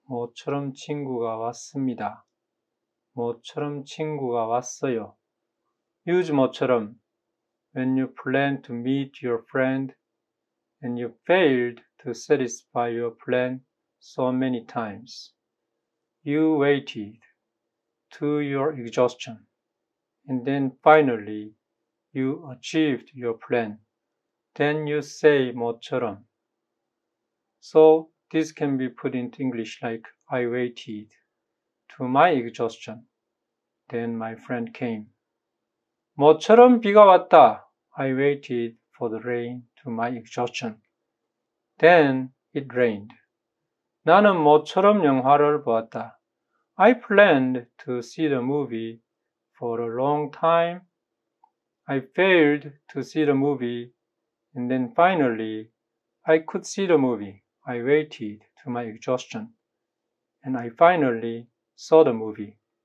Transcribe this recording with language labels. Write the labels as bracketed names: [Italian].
[Korean] 모처럼 친구가 왔습니다. 모처럼 친구가 왔어요. Use 모처럼. [English] When you plan to meet your friend and you failed to satisfy your plan so many times. You waited to your exhaustion. And then finally, you achieved your plan. Then you say 모처럼. So this can be put into English like I waited to my exhaustion. Then my friend came. [Korean] 모처럼 비가 왔다. [English] I waited for the rain to my exhaustion. Then it rained. [Korean] 나는 모처럼 영화를 보았다. [English] I planned to see the movie for a long time. I failed to see the movie. And then finally, I could see the movie. I waited to my exhaustion. And I finally saw the movie.